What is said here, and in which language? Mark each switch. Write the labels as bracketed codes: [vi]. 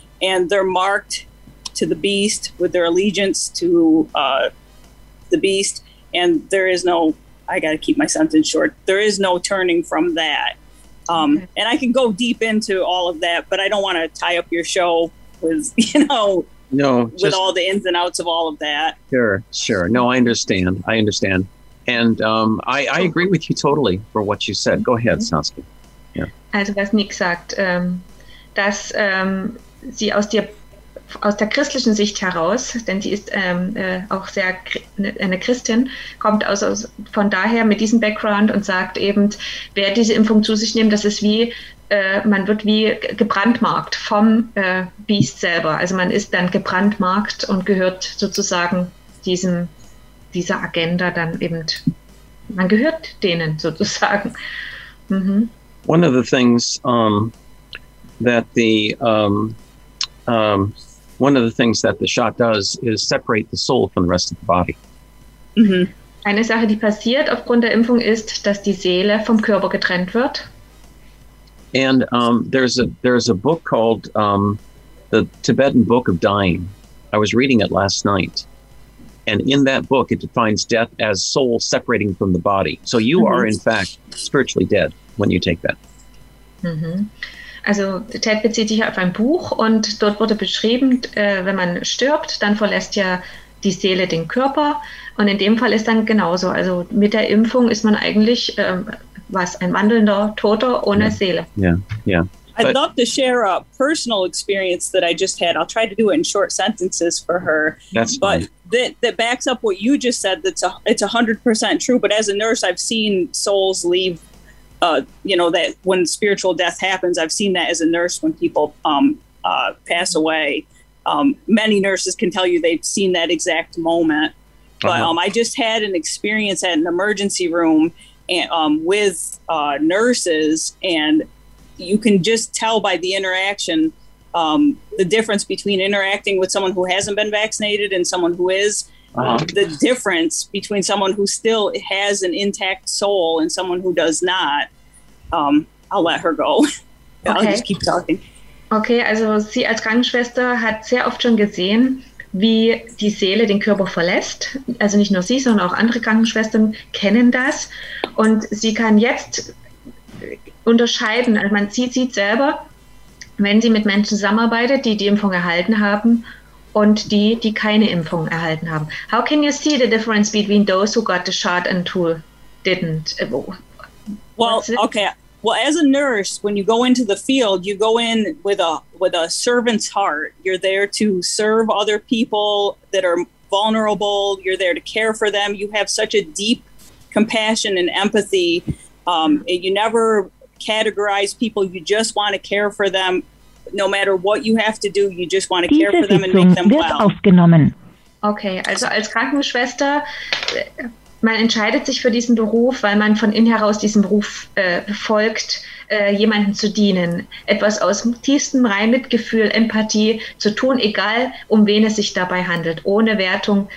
[en] And they're marked to the beast with their allegiance to the beast, and there is no, I gotta keep my sentence short, there is no turning from that. And I can go deep into all of that, but I don't want to tie up your show with, you know, no, just, with all the ins and outs of all of that. Sure, sure. No, I understand. And I agree with you totally for what you said. Go ahead, Saskia. Yeah. [de] Also was Nick sagt, dass sie aus der christlichen Sicht heraus, denn sie ist auch sehr eine Christin, kommt aus von daher mit diesem Background und sagt eben, wer diese Impfung zu sich nimmt, das ist wie, man wird wie gebrandmarkt vom Beast selber. Also man ist dann gebrandmarkt und gehört sozusagen dieser Agenda dann eben man gehört denen sozusagen. Mm-hmm. [en] One of the things that the shot does is separate the soul from the rest of the body. Mm-hmm. [de] Eine Sache, die passiert aufgrund der Impfung, ist, dass die Seele vom Körper getrennt wird. [en] And there's a book called the Tibetan Book of Dying. I was reading it last night. And in that book, it defines death as soul separating from the body. So you mm-hmm. are, in fact, spiritually dead when you take that. Mm-hmm. [de] Also Ted bezieht sich auf ein Buch und dort wurde beschrieben, wenn man stirbt, dann verlässt ja die Seele den Körper. Und in dem Fall ist dann genauso. Also mit der Impfung ist man eigentlich ein wandelnder Toter ohne [en] yeah. [de] Seele. [en] Yeah. I'd love to share a personal experience that I just had. I'll try to do it in short sentences for her. That's but fine. That backs up what you just said. It's 100% true. But as a nurse, I've seen souls leave, that when spiritual death happens, I've seen that as a nurse when people pass away. Many nurses can tell you they've seen that exact moment. But I just had an experience at an emergency room and, with nurses, and you can just tell by the interaction the difference between interacting with someone who hasn't been vaccinated and someone who is. The difference between someone who still has an intact soul and someone who does not. I'll let her go. Okay. I'll just keep talking. [de] Okay, also sie als Krankenschwester hat sehr oft schon gesehen, wie die Seele den Körper verlässt. Also nicht nur sie, sondern auch andere Krankenschwestern kennen das. Und sie kann jetzt unterscheiden. Also man sieht selber, wenn sie mit Menschen zusammenarbeitet, die Impfung erhalten haben und die keine Impfung erhalten haben. [en] How can you see the difference between those who got the shot and who didn't? Well, as a nurse, when you go into the field, you go in with a servant's heart. You're there to serve other people that are vulnerable. You're there to care for them. You have such a deep compassion and empathy. You never categorize people. You just want to care for them. No matter what you have to do, you just want to care for them and make them well. [de] Aufgenommen. Okay, also als Krankenschwester, man entscheidet sich für diesen Beruf, weil man von innen heraus diesem Beruf folgt, jemanden zu dienen. Etwas aus tiefstem Reinmitgefühl, Empathie zu tun, egal um wen es sich dabei handelt. Ohne Wertung.